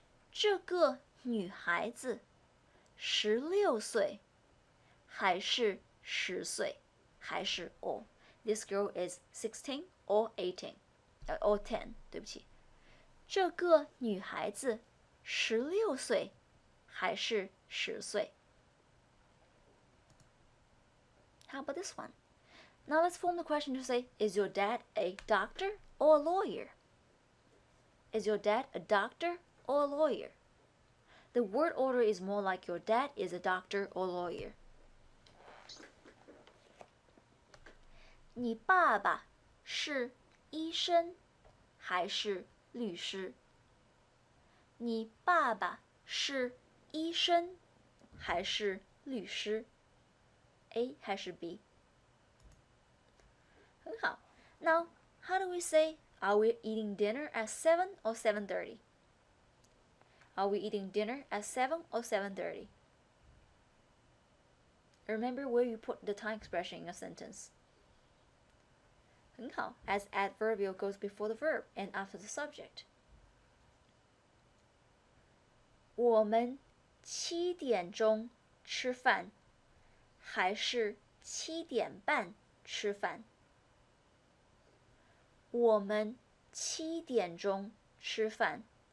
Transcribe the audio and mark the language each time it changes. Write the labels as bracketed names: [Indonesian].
[Chinese] 这个女孩子十六岁还是十岁还是 [English] or This girl is 16 or 18 or 10, [Chinese] 对不起。这个女孩子十六岁还是十岁。 [English] How about this one? Now let's form the question to say, is your dad a doctor or a lawyer? Is your dad a doctor or a lawyer? The word order is more like your dad is a doctor or lawyer. [Chinese] 你爸爸是医生还是律师？你爸爸是医生还是律师？A 还是 B？很好。 [English] Now, how do we say, are we eating dinner at 7 or 7:30? Are we eating dinner at 7 or 7:30? Remember where you put the time expression in a sentence. [Chinese] 很好, [English] as adverbial goes before the verb and after the subject. [Chinese] 我们七点钟吃饭还是七点半吃饭? 我们七点钟吃饭。